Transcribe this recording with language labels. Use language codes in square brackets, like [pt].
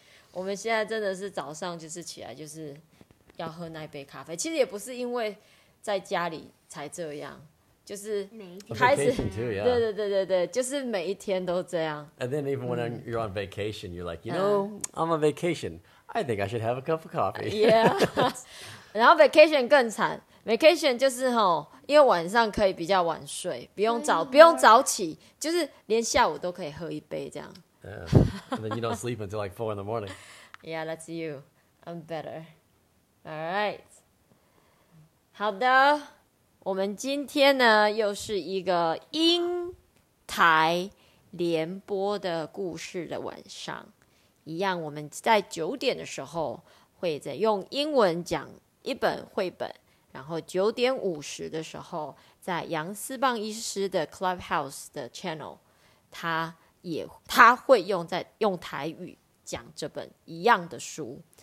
[zh] 我们现在真的是早上就是起来就是要喝那杯咖啡，其实也不是因为在家里才这样，就是 [en] 开始 too,、yeah. [zh] 对对对对对，就是每一天都这样。 [en] And then even when you're on vacation, you're like, you know, I'm on vacation, I think I should have a cup of coffee. [zh] Yeah. 然后 vacation 更惨， vacation 就是吼，因为晚上可以比较晚睡，不用早起，就是连下午都可以喝一杯这样。 [en] Yeah. And then you don't sleep until like 4 in the morning. Yeah, that's you. I'm better. All right. [zh] 好的，我们今天呢又是一个英台联播的故事的晚上。一样，我们在九点的时候会在用英文讲一本绘本，然后九点五十的时候在杨思棒医师的 Clubhouse 的 channel， 他会用台语讲这本一样的书。